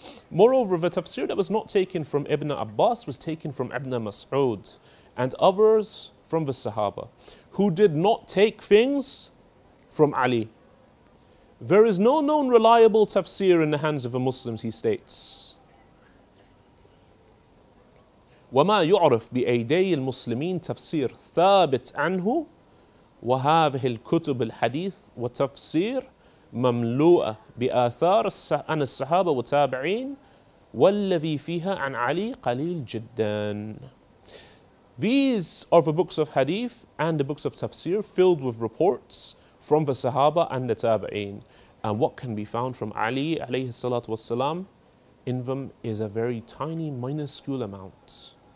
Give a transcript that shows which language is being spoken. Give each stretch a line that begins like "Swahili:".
English: Moreover, the tafsir that was not taken from Ibn Abbas was taken from Ibn Mas'ud and others from the Sahaba, who did not take things from Ali. There is no known reliable tafsir in the hands of the Muslims, he states.
Arabic: وَمَا يُعْرَفْ بِأَيْدَيِّ الْمُسْلِمِينَ تَفْسِيرْ ثَابِتْ عَنْهُ وَهَذِهِ الْكُتُبِ الْحَدِيثِ وَتَفْسِيرٍ مملوءة بآثار عن الصحابة والتابعين والذي فيها عن علي قليل جدا.
English: These are the books of hadith and the books of tafsir filled with reports from the Sahaba and the Tabi'een. And what can be found from Ali alayhi salatu wasalam in them is a very tiny, minuscule amount.